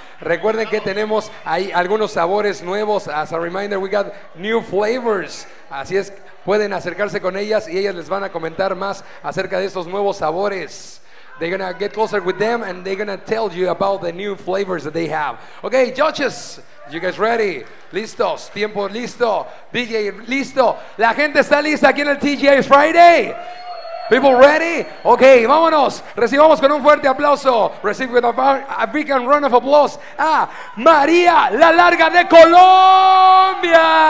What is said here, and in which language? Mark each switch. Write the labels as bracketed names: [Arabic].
[Spanish] Recuerden que tenemos ahí algunos sabores nuevos. [English] As a reminder, we got new flavors. [Spanish] Así es, pueden acercarse con ellas y ellas les van a comentar más acerca de estos nuevos sabores. [English] They're gonna get closer with them and they're gonna tell you about the new flavors that they have. Okay, judges, you guys ready? [Spanish] Listos, tiempo listo, DJ listo. La gente está lista aquí en el TGI Friday. [English] People ready? Okay, [Spanish] vámonos. Recibamos con un fuerte aplauso. [English] Receive with a big round of applause [Spanish] a María La Larga de Colombia.